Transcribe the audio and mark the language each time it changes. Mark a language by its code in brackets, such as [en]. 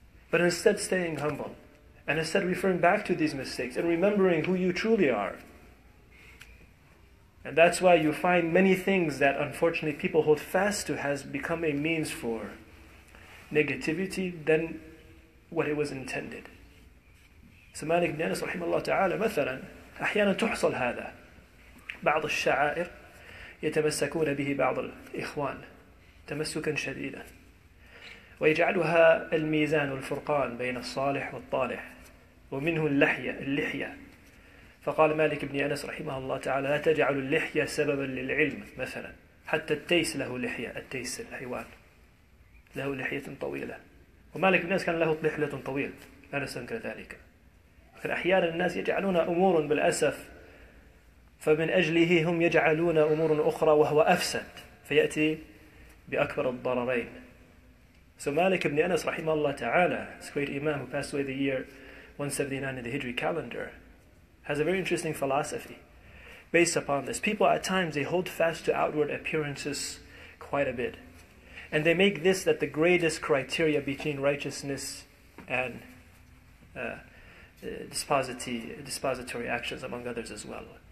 [en] But instead staying humble, and instead referring back to these mistakes and remembering who you truly are. And that's why you find many things that unfortunately people hold fast to has become a means for negativity than what it was intended. [ar] So Malik ibn Anas rahimahullah ta'ala, مثلاً أحيانا تحصل هذا بعض الشعائر يتمسكون به بعض الإخوان تمسكا شديدا ويجعلها الميزان والفرقان بين الصالح والطالح ومنه اللحية. فقال مالك بن أنس رحمه الله تعالى: لا تجعل اللحية سببا للعلم. مثلا حتى التيس له لحية، التيس الحيوان له لحية طويلة، ومالك بن أنس كان له لحية طويلة، لا نستنكر ذلك. فأحيانا الناس يجعلون أمور بالأسف فمن أجله هم يجعلون أمور أخرى وهو أفسد فيأتي بأكبر الضررين. [en] So Malik ibn Anas rahimahullah ta'ala, this great imam who passed away the year 179 of the Hijri calendar, has a very interesting philosophy based upon this. People at times, they hold fast to outward appearances quite a bit. And they make this that the greatest criteria between righteousness and dispository actions, among others as well.